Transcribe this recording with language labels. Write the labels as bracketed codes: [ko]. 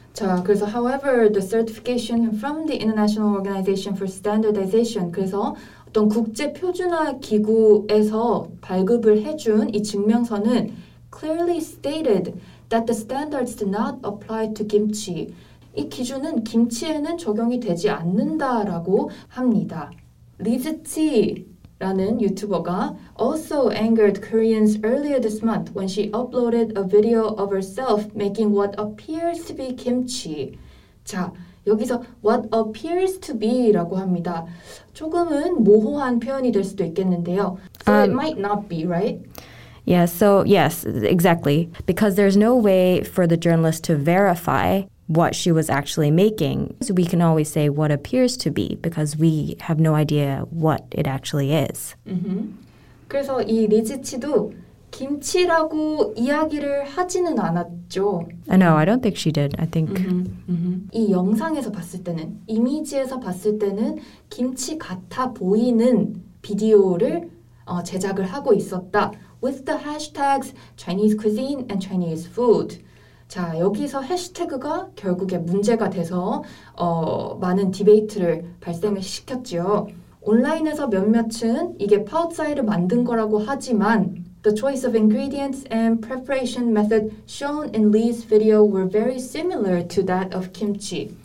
[en] 자, 그래서 however the certification from the International Organization for Standardization [ko] 그래서 어떤 국제 표준화 기구에서 발급을 해준 이 증명서는 [en] clearly stated that the standards do not apply to kimchi. [ko] 이 기준은 김치에는 적용이 되지 않는다라고 합니다. 리즈치라는 유튜버가 [en] also angered Koreans earlier this month when she uploaded a video of herself making what appears to be kimchi. [ko] 자, 여기서 [en] what appears to be [ko] 라고 합니다. 조금은 모호한 표현이 될 수도 있겠는데요. [en] So it might not be, right? Yeah, so yes, exactly. Because there's no way for the journalist to verify what she was actually making. So we can always say what appears to be because we have no idea what it actually is. Mm-hmm. [ko] 그래서 이 리지치도 김치라고 이야기를 하지는 않았죠. [en] No, I don't think she did. I think [ko] 이 영상에서 봤을 때는 이미지에서 봤을 때는 김치 같아 보이는 비디오를 제작을 하고 있었다. [en] With the hashtags Chinese cuisine and Chinese food. [ko] 자, 여기서 해시태그가 결국에 문제가 돼서 많은 디베이트를 발생을 시켰지요. 온라인에서 몇몇은 이게 파오짜이를 만든 거라고 하지만 [en] the choice of ingredients and preparation method shown in Lee's video were very similar to that of kimchi.